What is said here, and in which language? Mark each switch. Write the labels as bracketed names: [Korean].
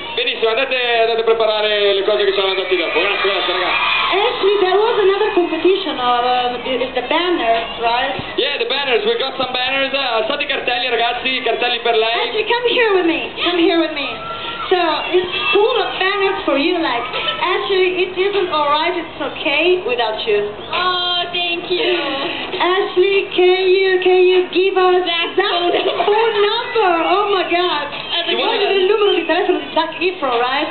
[Italian] Benissimo, andate a preparare le cose che sono andate dopo. Grazie, ragazzi. [English] Actually, there was another competition of the banners, right? Yeah, the banners. We got some banners. [Italian] Alzate i cartelli, ragazzi, i cartelli per lei. [English] Actually, come here with me. Come here with me. So, it's full of banners for you, like, actually, it isn't alright, it's okay without you. Oh, thank you. Ashley, can you give us that phone number? Oh my god. The [Italian] numero di telefono di [English] Zac Efron, right?